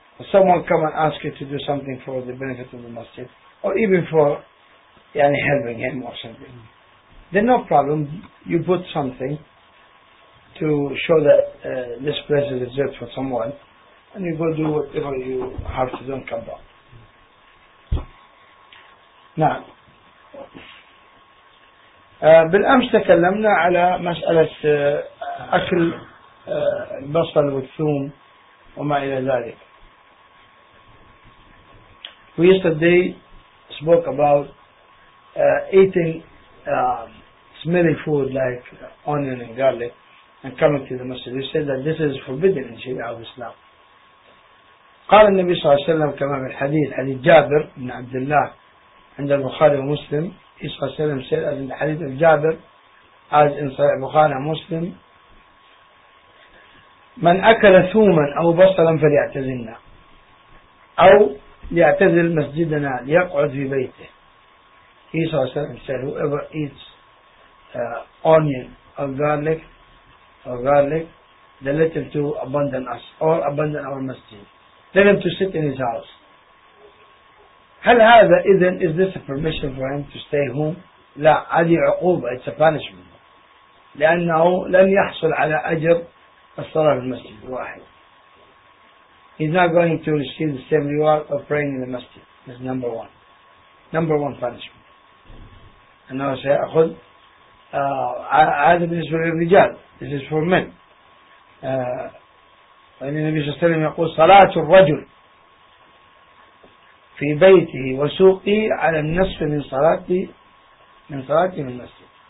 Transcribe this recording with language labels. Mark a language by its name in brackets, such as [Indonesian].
[English] Someone come and ask you to do something for the benefit of the masjid, or even for yani, helping him or something. Then no problem, you put something to show that this place is reserved for someone, and you go do whatever you have to do and come back. [Arabic] Now, بالأمس تكلمنا على مسألة أكل البصل والثوم وما إلى ذلك. [English] We yesterday spoke about eating smelly food like onion and garlic and coming to the masjid. We said that this is forbidden in Sharia of Islam. [Arabic] قال النبي صلى الله عليه وسلم كما في الحديث حديث جابر بن عبد الله عند البخاري ومسلم. [English] Isa Salam said as in the hadith of Jabir, as in Sahih Bukhari Muslim, [Arabic] من أكل ثوما أو بصلا فليعتزلنا أو ليعتزل مسجدنا ليقعد في بيته. [English] Isa Salam said, whoever eats onion or garlic, then let him to abandon us or abandon our masjid. Let him to sit in his house. [Arabic] هل هذا إذن [English] is this a permission for him to stay home? [Arabic] لا هذه عقوبة, [English] it's a punishment [Arabic] لأنه لن يحصل على أجر الصلاة في المسجد واحد. [English] He's not going to receive the same reward of praying in the masjid. That's number one. Number one punishment. [Arabic] أنه سيأخذ هذا بالنسبة للرجال. [English] This is for men. [Arabic] وإن النبي صلى الله عليه وسلم يقول صلاة الرجل في بيته وسوقي على النصف من صلاتي من المسجد.